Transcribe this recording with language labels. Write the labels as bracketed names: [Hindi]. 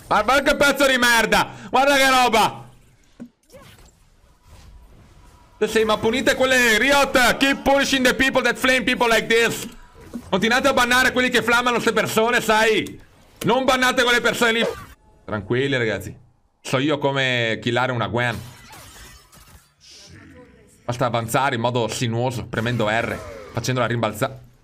[Italian] Ma che pezzo di merda! Guarda che roba! Sì, ma punite quelle Riot! [English] Keep punishing the people that flame people like this! [Italian] Continuate a bannare quelli che flammano queste persone, sai? Non bannate quelle persone lì! Tranquilli, ragazzi. So io come killare una Gwen. Basta avanzare in modo sinuoso, premendo R, facendola rimbalzare.